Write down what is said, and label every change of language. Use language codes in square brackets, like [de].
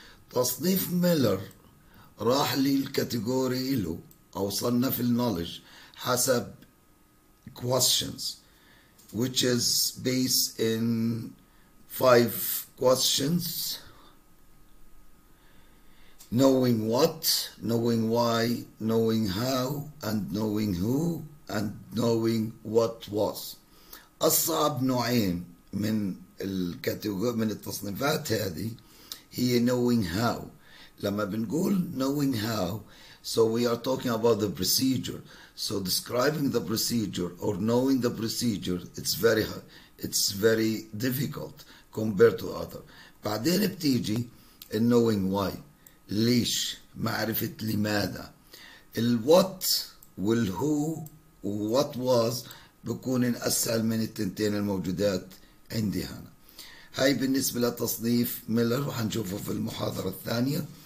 [ar] تصنيف ميلر راح للكاتيجوري له أو صنف النولج حسب [en] questions which is based in 5 questions: knowing what, knowing why, knowing how, and knowing who, and knowing what was. [ar] أصعب نوعين من الكاتيجوري من التصنيفات هذه هي [en] knowing how. [ar] لما بنقول [en] knowing how so we are talking about the procedure, so describing the procedure or knowing the procedure it's very difficult compared to other. [ar] بعدين بتيجي [en] knowing why، [ar] ليش، معرفة لماذا. ال what وال who what was بكون أسهل من التنتين الموجودات عندي هنا. هاي بالنسبة لتصنيف ميلر وحنشوفه في المحاضرة الثانية.